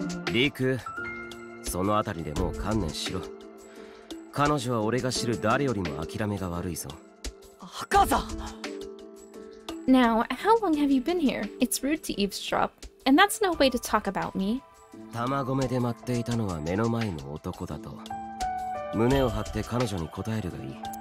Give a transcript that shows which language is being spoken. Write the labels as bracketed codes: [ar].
[ja] リク、そのあたりでもう観念しろ。彼女は俺が知る誰よりも諦めが悪いぞ。赤座。 [en] Now, how long have you been here? It's rude to eavesdrop, and that's no way to talk about me. [ja] 玉込で待っていたのは目の前の男だと。胸を張って彼女に答えるがいい。